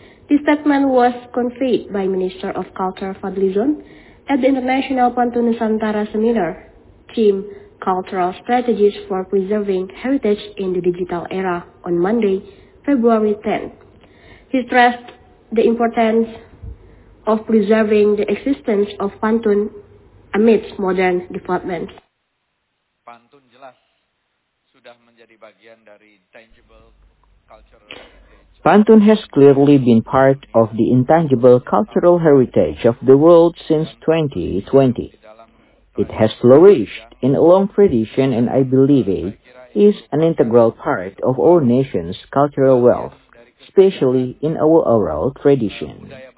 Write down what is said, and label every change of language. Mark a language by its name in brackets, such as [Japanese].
[English] This statement was conveyed by Minister of Culture Fadlizon at the International Pantun Nusantara Seminar, Team Cultural Strategies for Preserving Heritage in the Digital Era, on Monday, February 10. He stressed the importance of preserving the existence of pantun amidst modern developments. [Indonesian] Pantun jelas sudah menjadi bagian dari [English] intangible cultural heritage. Pantun has clearly been part of the intangible cultural heritage of the world since 2020. It has flourished in a long tradition, and I believe it is an integral part of our nation's cultural wealth, especially in our oral tradition.